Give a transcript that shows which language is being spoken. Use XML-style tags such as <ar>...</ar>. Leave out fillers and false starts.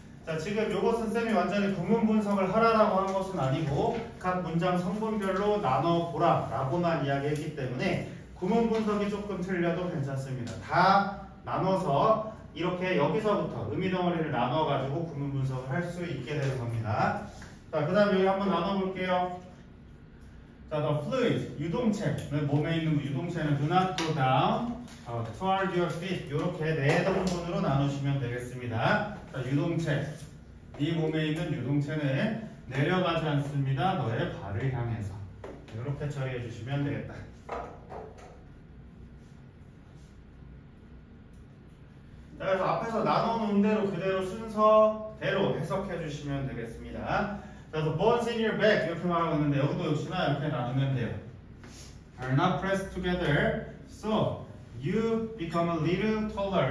<ko>자, 지금 이것은 쌤이 완전히 구문 분석을 하라라고 한 것은 아니고 각 문장 성분별로 나눠보라라고만 이야기했기 때문에 구문 분석이 조금 틀려도 괜찮습니다. 다 나눠서 이렇게 여기서부터 의미 덩어리를 나눠가지고 구문 분석을 할 수 있게 될 겁니다. 자, 그 다음 여기 한번 나눠볼게요. 자, the fluid, 유동체. 몸에 있는 유동체는</ko> <en>do not go down. Toward your feet.</en> <ko>이렇게 네 등분으로 나누시면 되겠습니다. 자, 유동체. 네 몸에 있는 유동체는 내려가지 않습니다. 너의 발을 향해서. 이렇게 처리해 주시면 되겠다. 자, 그래서 앞에서 나눠놓은 대로 그대로 순서대로 해석해 주시면 되겠습니다.</ko> <en>자, the bones in your back.</en> <ko>이렇게 말하고 있는데, 여기도 역시나 이렇게 나누는데요.</ko> <en>Are not pressed together. So, you become a little taller.</en>